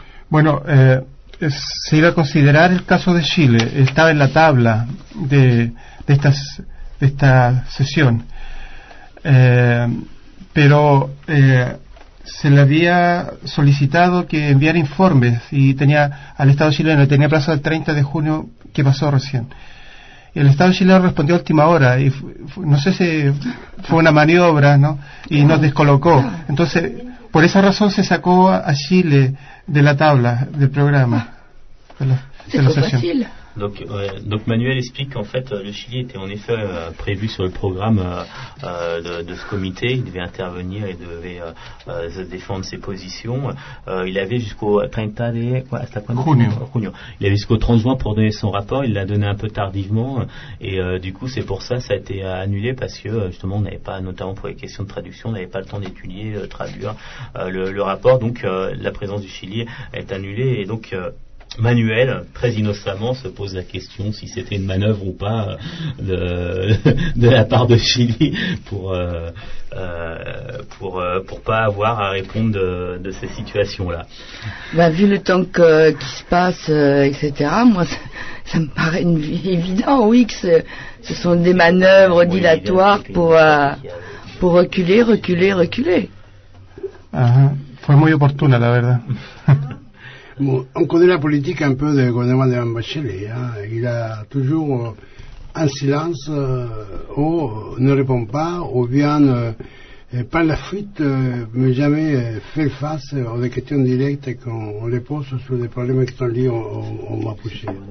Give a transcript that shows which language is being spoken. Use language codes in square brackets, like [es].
[es] Bueno, se iba a considerar el caso de Chile, estaba en la tabla de esta sesión, se le había solicitado que enviara informes y tenía al Estado chileno, tenía plazo del 30 de junio que pasó recién. Y el Estado chileno respondió a última hora y no sé si fue una maniobra, ¿no? Y nos descolocó. Entonces, por esa razón se sacó a Chile de la tabla del programa. [fr] C'est trop facile. Donc Manuel explique qu'en fait le Chili était en effet prévu sur le programme de ce comité. Il devait intervenir et devait défendre ses positions. Il avait jusqu'au 30 de [es] junio. [fr] Il avait jusqu'au 30 juin pour donner son rapport. Il l'a donné un peu tardivement et du coup c'est pour ça que ça a été annulé, parce que justement on n'avait pas, notamment pour les questions de traduction, on n'avait pas le temps d'étudier, traduire le rapport. Donc la présence du Chili est annulée et donc Manuel, très innocemment, se pose la question si c'était une manœuvre ou pas de la part de Chili pour pas avoir à répondre de ces situations-là. Bah, vu le temps qui se passe, etc., moi, ça me paraît évident, oui, que ce sont des manœuvres dilatoires pour reculer. [es] Fue muy oportuna, la verdad. [fr] Bon, on connaît la politique un peu de gouvernement de Bachelet, hein. Il a toujours un silence, ou ne répond pas, ou bien par la fuite, mais jamais fait face aux questions directes qu'on les pose sur des problèmes qui sont liés au Mapuche.